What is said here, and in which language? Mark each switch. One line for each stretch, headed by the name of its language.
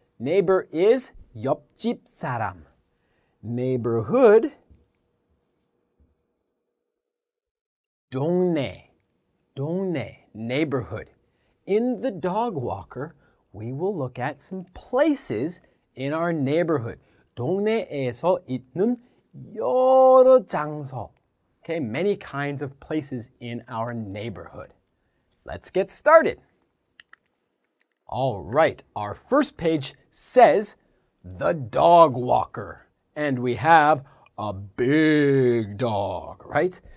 English: Neighbor is
Korean: 옆집 사람.
English: Neighborhood.
Korean: 동네. 동네. Neighborhood.
English: In The Dog Walker, we will look at some places in our neighborhood.
Korean: 동네에서 있는 여러 장소.
English: Okay, many kinds of places in our neighborhood. Let's get started. All right, our first page says the dog walker. And we have a big dog, right?